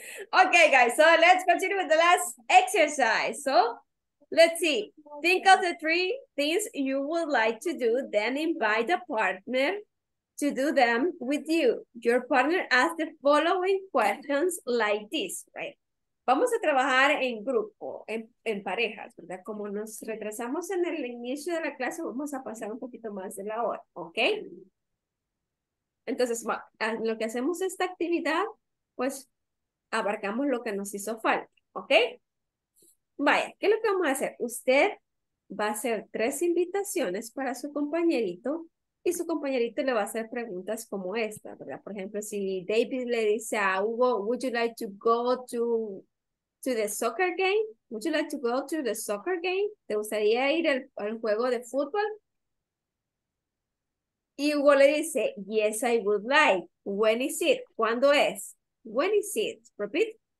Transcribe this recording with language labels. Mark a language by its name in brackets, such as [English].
[English] Okay, guys, so let's continue with the last exercise. So let's see. Think of the three things you would like to do, then invite a partner to do them with you. Your partner asks the following questions like this, right? [Spanish] Vamos a trabajar en grupo, en parejas, ¿verdad? Como nos retrasamos en el inicio de la clase, vamos a pasar un poquito más de la hora, ¿ok? Entonces, lo que hacemos esta actividad, pues abarcamos lo que nos hizo falta, ¿ok? Vaya, ¿qué es lo que vamos a hacer? Usted va a hacer tres invitaciones para su compañerito y su compañerito le va a hacer preguntas como esta, ¿verdad? Por ejemplo, si David le dice a Hugo, [English] would you like to go to the soccer game? Would you like to go to the soccer game? [Spanish] ¿Te gustaría ir al juego de fútbol? Y Hugo le dice, [English] yes, I would like. When is it? [Spanish] ¿Cuándo es? [English] When is it? Repeat.